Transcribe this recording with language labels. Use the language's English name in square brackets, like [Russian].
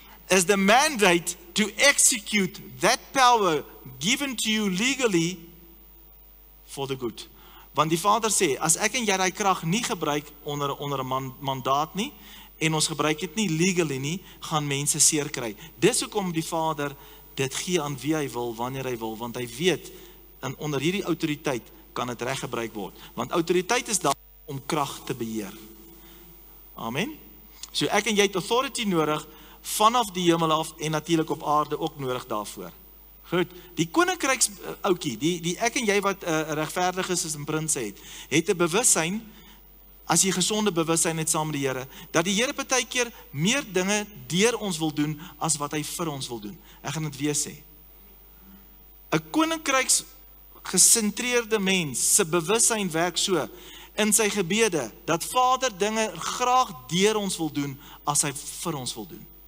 [English] Is the mandate to execute that power given to you legally for the good. [Afrikaans] Want die vader sê, as ek en jy die krag nie gebruik onder 'n mandaat nie, en ons gebruik het nie legally nie, gaan mense seer kry. Dis hoekom die vader dit gee aan wie hy wil, wanneer hy wil, want hy weet, en onder hierdie autoriteit kan het reg gebruik word. Want autoriteit is daar om krag te beheer. Amen. So ek en jy het authority nodig, vanaf die hemel af, en natuurlijk op aarde ook nodig daarvoor. Goed, die koninkryks oukie, die ek en jy wat regverdig is, as een prins het, het een bewussyn, as jy gesonde bewussyn het saam met die Here, dat die Here baie keer meer dinge deur ons wil doen, as wat hy vir ons wil doen. Ek gaan het weer sê. Een koninkryks gesentreerde mens, sy bewussyn werk so, in sy gebede, dat Vader dinge graag deur ons wil doen, as hy vir ons wil doen.